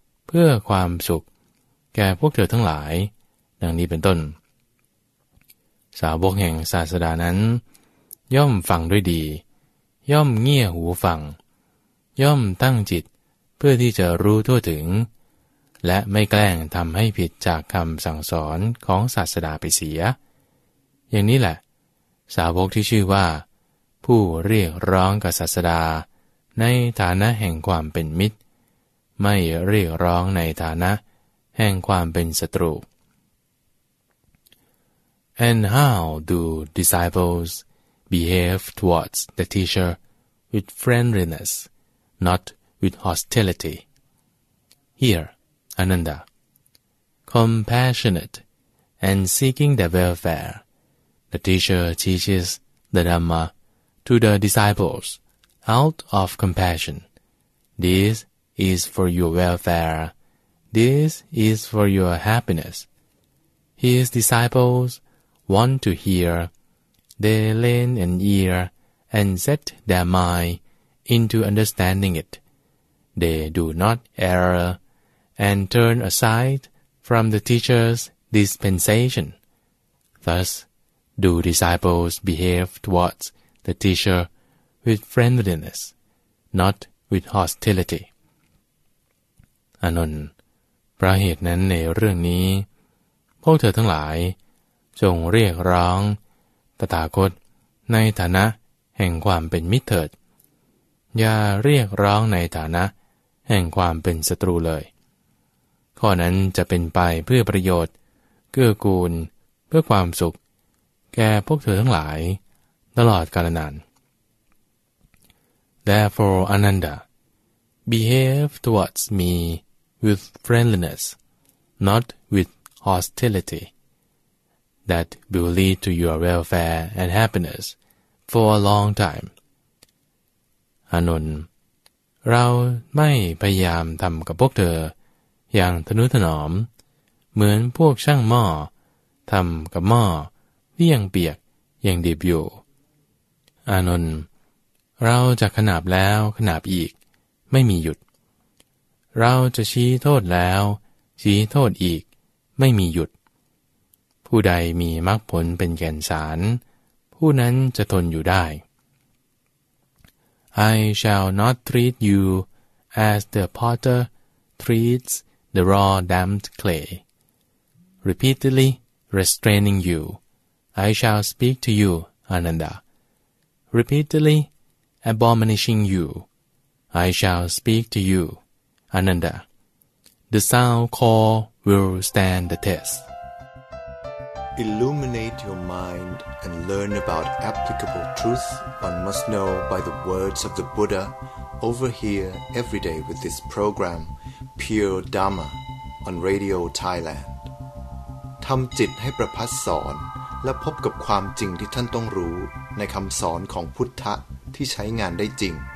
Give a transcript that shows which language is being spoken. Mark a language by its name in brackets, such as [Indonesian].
[Thai] พื่อความสุขแก่พวกเธอทั้งหลายดังนี้เป็นต้นสาวกแห่งศาสดานั้นย่อมฟังด้วยดีย่อมเงี่ยหูฟังย่อมตั้งจิตเพื่อที่จะรู้ทั่วถึงและไม่แกล้งทำให้ผิดจากคำสั่งสอนของศาสดาไปเสีย อย่างนี้แหละสาวกที่ชื่อว่าผู้เรียกร้องกับศาสดาในฐานะแห่งความเป็นมิตรไม่เรียกร้องในฐานะแห่งความเป็นศัตรู [English] And how do disciples behave towards the teacher with friendliness, not with hostility? Here, Ananda, compassionate and seeking the welfare, the teacher teaches the Dhamma to the disciples out of compassion. This is for your welfare. This is for your happiness. His disciples want to hear. They lend an ear and set their mind into understanding it. They do not err and turn aside from the teacher's dispensation. Thus, do disciples behave towards the teacher with friendliness, not with hostility. [Thai] Anon, ประเหตุนั้นในเรื่องนี้พวกเธอทั้งหลายจงเรียกร้องตถาคตในฐานะแห่งความเป็นมิตรเถิดอย่าเรียกร้องในฐานะแห่งความเป็นศัตรูเลยข้อนั้นจะเป็นไปเพื่อประโยชน์เกื้อกูลเพื่อความสุขแก่พวกเธอทั้งหลายตลอดกาลนาน [English] Therefore, Ananda, behave towards me with friendliness, not with hostility. That will lead to your welfare and happiness for a long time. [Thai] Anon, เราไม่พยายามทำกับพวกเธออย่างทนุถนอมเหมือนพวกช่างหม้อทำกับหม้อที่ยังเปียกยังดิบอยู่อานนท์เราจะขนาบแล้วขนาบอีกไม่มีหยุดเราจะชี้โทษแล้วชี้โทษอีกไม่มีหยุดผู้ใดมีมรรคผลเป็นแก่นสารผู้นั้นจะทนอยู่ได้ [English] I shall not treat you as the potter treats the raw damp clay. Repeatedly restraining you, I shall speak to you, Ananda. Repeatedly admonishing you, I shall speak to you, Ananda. The sound call will stand the test. Illuminate your mind and learn about applicable truth one must know by the words of the Buddha over here every day with this program Pure Dharma on Radio Thailand [Thai] ทำจิตให้ประพัสสอนและพบกับความจริงที่ท่านต้องรู้ในคำสอนของพุทธะที่ใช้งานได้จริง